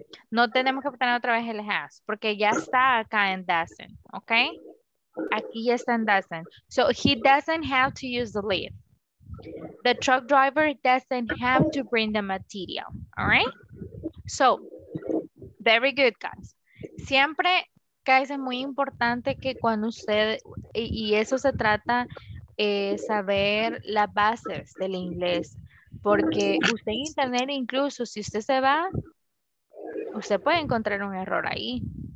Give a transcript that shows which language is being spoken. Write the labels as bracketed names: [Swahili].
[Spanish] No tenemos que poner otra vez el has, porque ya está acá en doesn't, ¿ok? Aquí ya está en doesn't. [English] So, he doesn't have to use the lift. The truck driver doesn't have to bring the material, ¿all right? So, very good, guys. [Spanish] Siempre, guys, es muy importante que cuando usted, y eso se trata, saber las bases del inglés, porque usted en internet, incluso si usted se va, usted puede encontrar un error ahí.